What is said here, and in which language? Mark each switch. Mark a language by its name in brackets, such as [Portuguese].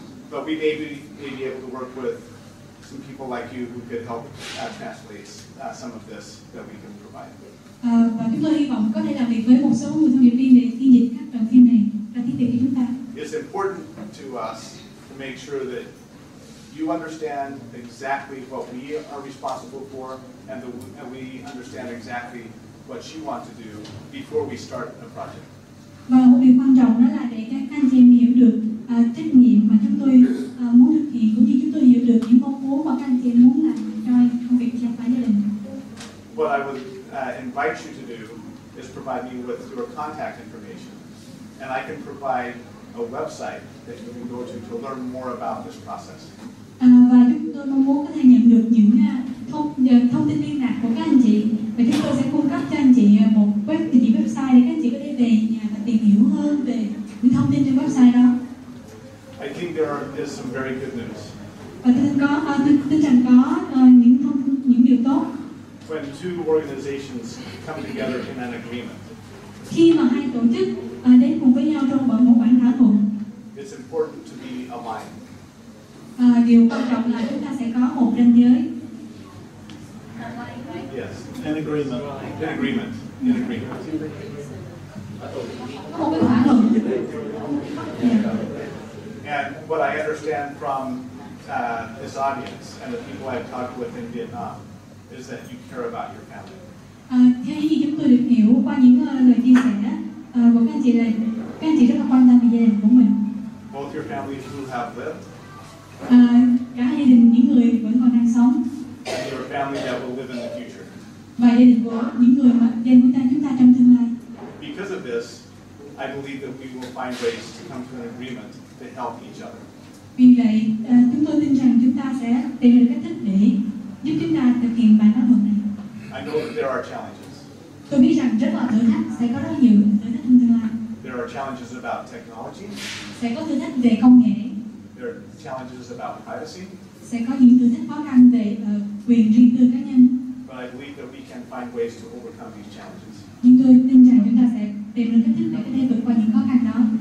[English] But we may be able to work with some people like you who could help translate some of this that we can provide. [Vietnamese] Và chúng tôi hy vọng có thể làm việc với một số người thông điệp viên để phiên dịch các đoạn phim này ra tiếng Việt cho chúng ta. [English] It's important to us to make sure that you understand exactly what we are responsible for and that we understand exactly what you want to do before we start the project. [Vietnamese] Và một điều quan trọng đó là để các anh chị em hiểu được trách nhiệm mà chúng tôi muốn thực hiện cũng như chúng tôi hiểu được những mong muốn mà các anh chị em muốn làm cho công việc cho phái gia đình. [English] What I would invite you to do is provide me with your contact information, and I can provide a website that you can go to learn more about this process. [Vietnamese] Và chúng tôi mong muốn có thể nhận được những thông tin liên lạc của các anh chị, và chúng tôi sẽ cung cấp cho anh chị một website để các anh chị có thể về nhà và tìm hiểu hơn về những thông tin trên website đó. [English] I think there is some very good news. [Vietnamese] Và tin rằng có những điều tốt. [English] When two organizations come together in an agreement. [Vietnamese] Khi mà hai tổ chức đến cùng với nhau trong một bản thảo thuận. [English] It's important to be aligned. [Vietnamese] Điều quan trọng là chúng ta sẽ có một ranh giới. [English] Yes, an agreement. An agreement. An agreement. [Vietnamese] Một cái thỏa thuận. [English] And what I understand from this audience and the people I've talked with in Vietnam. Is that you care about your family? [Vietnamese] Theo như chúng tôi được hiểu qua những lời chia sẻ của các anh chị này, các anh chị rất là quan tâm về gia đình của mình. [English] Both your families who have lived. [Vietnamese] Cả gia đình những người vẫn còn đang sống. [English] And your family that will live in the future. [Vietnamese] Và gia đình của những người mà gia đình của chúng ta trong tương lai. [English] Because of this, I believe that we will find ways to come to an agreement to help each other. [Vietnamese] Vì vậy, chúng tôi tin rằng chúng ta sẽ tìm được cách thức để giúp chúng ta thực hiện bài thảo luận này. [English] I know that there are challenges. [Vietnamese] Tôi biết rằng rất là thử thách, sẽ có rất nhiều thử thách trong tương lai. [English] There are challenges about technology. [Vietnamese] Sẽ có thử thách về công nghệ. [English] There are challenges about privacy. [Vietnamese] Sẽ có những thử thách khó khăn về quyền riêng tư cá nhân. [English] But I believe that we can find ways to overcome these challenges. [Vietnamese] Nhưng tôi tin rằng chúng ta sẽ tìm được cách thức để có thể vượt qua những khó khăn đó.